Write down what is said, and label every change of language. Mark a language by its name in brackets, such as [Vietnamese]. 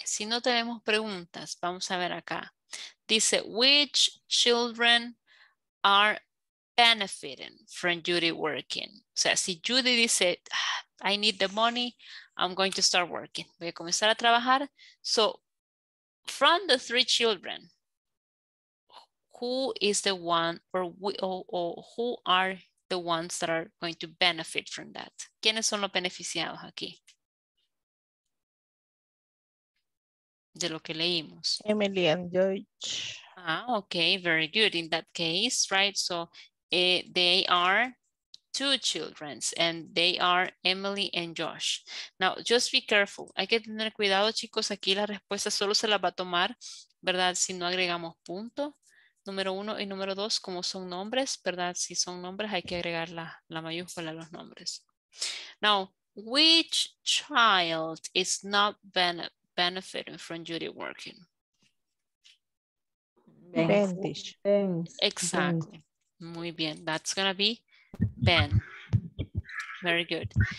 [Spanish] Si no tenemos preguntas, vamos a ver acá. Dice, [English] which children are benefiting from Judy working? [Spanish] O sea, si Judy dice, ah, [English] I need the money, I'm going to start working. [Spanish] Voy a comenzar a trabajar. [English] So, from the three children, who is the one or who are the ones that are going to benefit from that? [Spanish] ¿Quiénes son los beneficiados aquí? De lo que leímos. [English] Emily and George. Ah, okay, very good. In that case, right? So they are two children and they are Emily and Josh. Now, just be careful. [Spanish] Hay que tener cuidado, chicos. Aquí la respuesta solo se la va a tomar, ¿verdad? Si no agregamos punto. Número uno y número dos, como son nombres, ¿verdad? Si son nombres, hay que agregar la mayúscula a los nombres. [English] Now, which child is not benefiting from Judy working? Ben. Exactly. Ben. [Spanish] Muy bien. [English] That's going to be Ben. Very good.